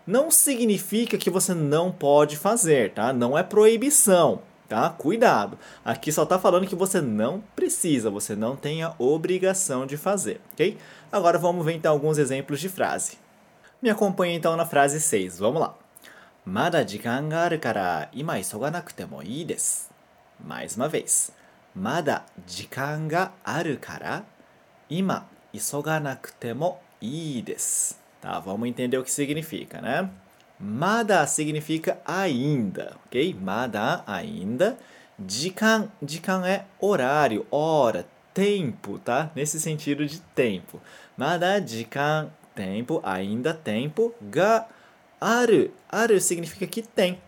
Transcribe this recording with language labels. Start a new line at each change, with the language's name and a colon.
Portuguese: Não significa que você não pode fazer, tá? Não é proibição, tá? Cuidado. Aqui só está falando que você não precisa, você não tem a obrigação de fazer, ok? Agora vamos ver então alguns exemplos de frase. Me acompanhe então na frase 6. Vamos lá.
Japanese: まだ時間があるから今急がなくてもいいです。
Portuguese: Mais uma vez。
Japanese: まだ時間があるから今急がなくてもいいです。
Portuguese: Tá, vamos entender o que significa, né? まだ significa ainda, ok? まだ ainda。時間é horário, hora, tempo, tá? Nesse sentido de tempo. まだ時間、tempo, ainda tempo, が、Aru significa que tem.